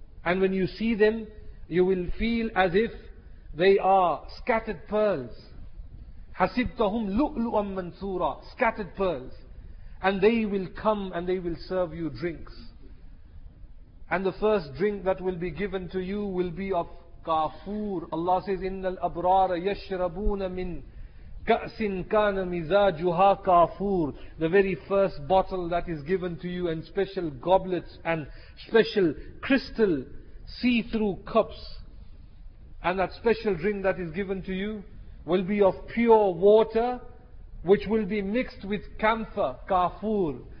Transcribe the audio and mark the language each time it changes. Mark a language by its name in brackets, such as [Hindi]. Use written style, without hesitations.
[English] And when you see them, you will feel as if they are scattered pearls. [Arabic] حَسِبْتَهُمْ لُؤْلُؤًا مَنْثُورًا. [English] Scattered pearls. And they will come and they will serve you drinks. And the first drink that will be given to you will be of kafur. Allah says, [Arabic] إِنَّ الْأَبْرَارَ يَشْرَبُونَ مِنْ كَأْسٍ كَانَ مِزَاجُهَا كَافُورٌ. [English] The very first bottle that is given to you, and special goblets and special crystal see-through cups. And that special drink that is given to you will be of pure water, which will be mixed with camphor, kafur.